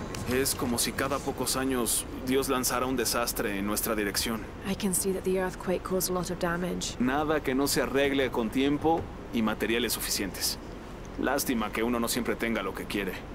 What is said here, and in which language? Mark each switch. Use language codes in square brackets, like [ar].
[es] Es como si cada pocos años Dios lanzara un desastre en nuestra dirección. [en] I can see that the earthquake caused a lot of damage. [es] Nada que no se arregle con tiempo y materiales suficientes. Lástima que uno no siempre tenga lo que quiere.